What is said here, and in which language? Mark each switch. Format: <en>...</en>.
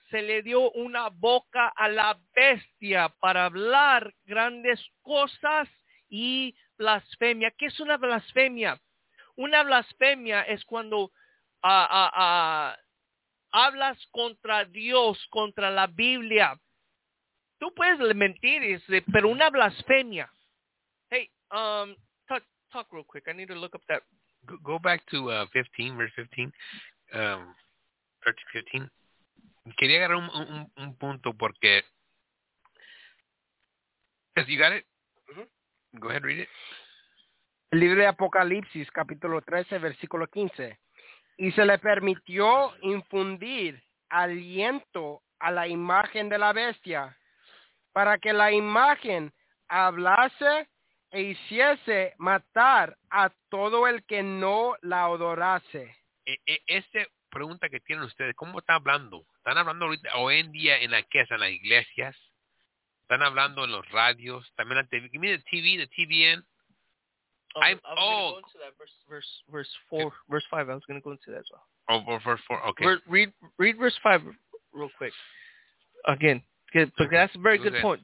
<es>Se le dio una boca a la bestia para hablar grandes cosas y blasfemia. ¿Qué es una blasfemia? Una blasfemia es cuando hablas contra Dios, contra la Biblia. Tú puedes mentir, pero una blasfemia.</es> <en>Hey, talk real quick. I need to look up that. Go back to 15, verse 15. 15.</en> <es>Quería agarrar un punto porque...</es> <en>Yes, you got it? Mm-hmm. Go ahead, read it.</en> <es>El libro de Apocalipsis, capítulo 13, versículo 15. Y se le permitió infundir aliento a la imagen de la bestia para que la imagen hablase e hiciese matar a todo el que no la adorase. Esta pregunta que tienen ustedes, ¿cómo está hablando? ¿Están hablando ahorita hoy en día en la casa, en las iglesias? ¿Están hablando en los radios? También la TV.</es> <en>Give me the TV, the TVN. I'm going to go into that verse 5 as well. Read verse 5 real quick. Again, because that's a very good point.</en>